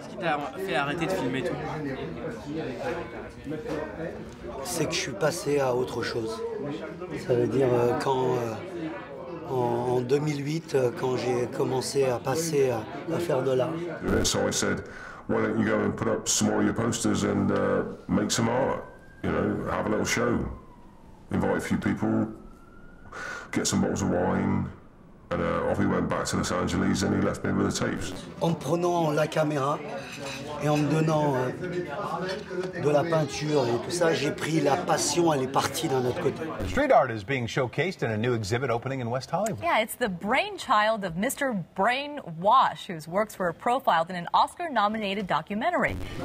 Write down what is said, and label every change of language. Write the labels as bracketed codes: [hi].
[fr] Ce qui t'a fait arrêter de filmer tout? C'est que je suis passé à autre chose. Ça veut dire quand, en 2008, quand j'ai commencé à passer à faire de l'art. [en] So I said, why don't you go and put up some more of your posters and make some art? You know, have a little show. Invite a few people, get some bottles of wine. And off he went back to Los Angeles and he left me with the tapes. [fr] En prenant la caméra et en me donnant de la peinture et tout ça, j'ai pris la passion, elle est partie d'un autre côté. [en] Street art is being showcased in a new exhibit opening in West Hollywood. Yeah, it's the brainchild of Mr. Brainwash, whose works were profiled in an Oscar-nominated documentary.